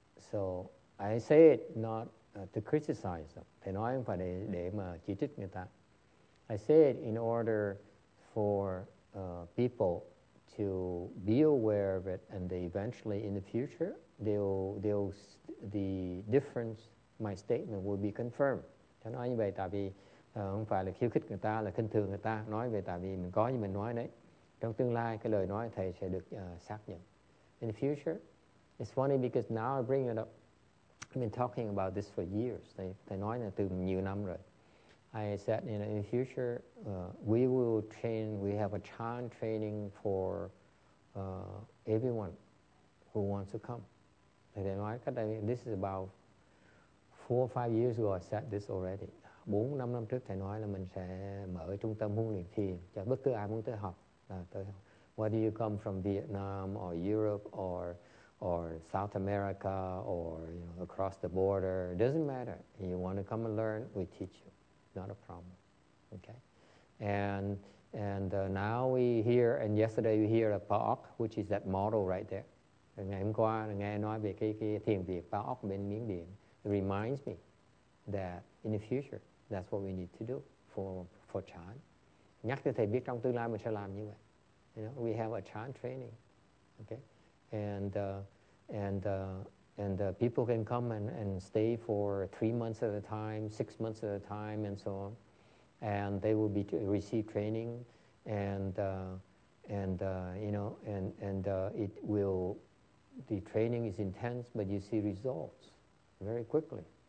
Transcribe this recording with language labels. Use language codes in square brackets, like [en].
[en] So I say it not to criticize them. [vi] Thầy nói không phải để mà chỉ trích người ta. [en] I say it in order for people to be aware of it, and they eventually in the future the difference, my statement will be confirmed. [vi] Thầy nói như vậy tại vì không phải là khiêu khích người ta, là khinh thường người ta. Nói về tại vì mình có như mình nói đấy. Trong tương lai, cái lời nói thầy sẽ được xác nhận. [en] In the future, it's funny because now I bring it up. I've been talking about this for years. [vi] Thầy nói là từ nhiều năm rồi. [en] I said, you know, in the future, we will train, we have a chan training for everyone who wants to come. [vi] Thầy nói, cách đây, [en] this is about 4 or 5 years ago, I said this already. 4 or 5 [vi] năm trước, thầy nói là mình sẽ mở trung tâm huấn luyện thiền cho bất cứ ai muốn tới học. [en] Whether you come from Vietnam or Europe or South America or across the border, it doesn't matter. You want to come and learn, we teach you. Not a problem. Okay. And now we hear, and yesterday you hear a Paok, which is that model right there. [vi] Ngày hôm qua nghe nói về cái thiền viện Paok bên Miến Điện. [en] It reminds me that in the future, that's what we need to do for Chan. [vi] Nhắc cho thầy biết trong tương lai mình sẽ làm như vậy. [en] You know, we have a chan training, okay, and people can come and stay for 3 months at a time, 6 months at a time, and so on, and they will be receive training, it will, the training is intense, but you see results very quickly.